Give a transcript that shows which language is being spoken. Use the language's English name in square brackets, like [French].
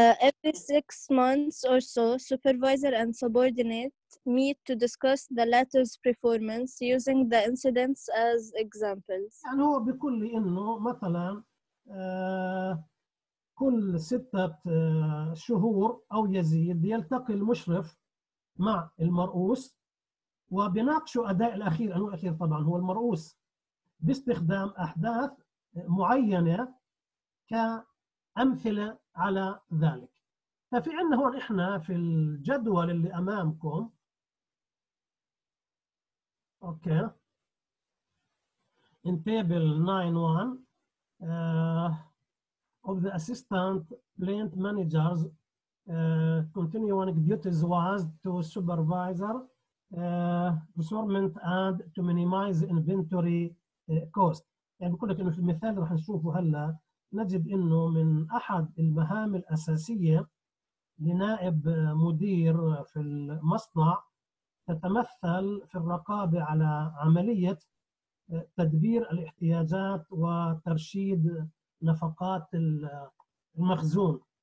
[English] Every 6 months or so, supervisor and subordinate meet to discuss the latter's performance using the incidents as examples. [Arabic] يعني هو بيقول لي إنه مثلاً كل 6 شهور أو يزيد يلتقي المشرف مع المرؤوس وبناقشوا أداء الأخير، أنه الأخير طبعاً هو المرؤوس، باستخدام أحداث معينة كأمثلة على ذلك. ففي عندنا هون إحنا في الجدول اللي أمامكم، أوكي، [English] in table 9.1 of the assistant plant managers continuing duties was to supervisor procurement and to minimize inventory cost. [Arabic] يعني بقول لك انه في المثال رح نشوفه هلا نجد انه من احد المهام الاساسية لنائب مدير في المصنع تتمثل في الرقابة على عملية تدبير الاحتياجات وترشيد نفقات المخزون.